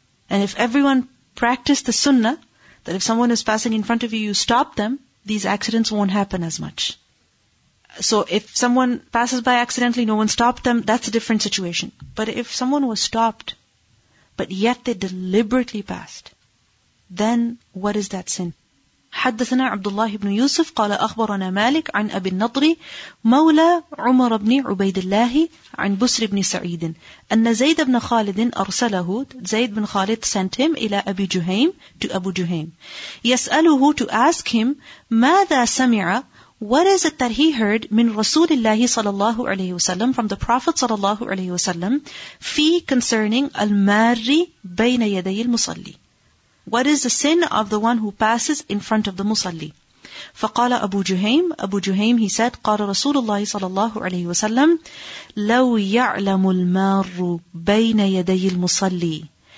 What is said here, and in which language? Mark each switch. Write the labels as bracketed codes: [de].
[en] And if everyone practiced the sunnah, that if someone is passing in front of you, you stop them, these accidents won't happen as much. So if someone passes by accidentally, no one stopped them, that's a different situation. But if someone was stopped, but yet they deliberately passed, then what is that sin? [ar] حدثنا عبد الله بن يوسف قال أخبرنا مالك عن أبي النضر مولى عمر بن عبيد الله عن بسر بن سعيد أن زيد بن خالد أرسله زيد بن خالد [en] sent him [ar] إلى أبي جهيم [en] to [ar] أبو جهيم يسأله [en] to ask him [ar] ماذا سمع [en] what is it that he heard [ar] من رسول الله صلى الله عليه وسلم [en] from the Prophet [ar] صلى الله عليه وسلم في [en] concerning [ar] الماري بين يدي المصلي. [en] What is the sin of the one who passes in front of the musalli? [ar] فقال أبو جهيم أبو جهيم [en] he said [ar] قال رسول الله صلى الله عليه وسلم لو يعلم المار بين يدي المصلي.